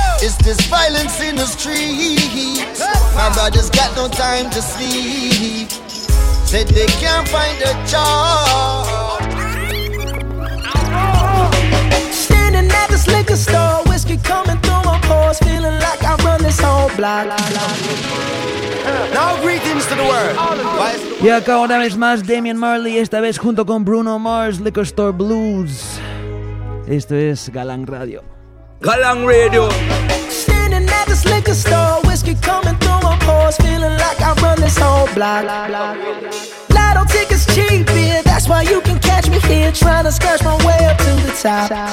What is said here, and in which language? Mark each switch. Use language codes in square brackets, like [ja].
[en] It's this violence in the streets. My brothers got no time to sleep. Said they can't find a job. Standing at this liquor store, whiskey coming through my pores, feeling like I run this whole block. Now greetings to the world. [es] Y acá una vez más Damian Marley, esta vez junto con Bruno Mars, Liquor Store Blues. Esto es Galang Radio. Galang Radio. [en] Standing at this liquor store, whiskey coming through my pores, feeling like I run this whole block. Lotto tickets cheap, yeah, that's why you can catch me here, trying to scratch my way up to the top.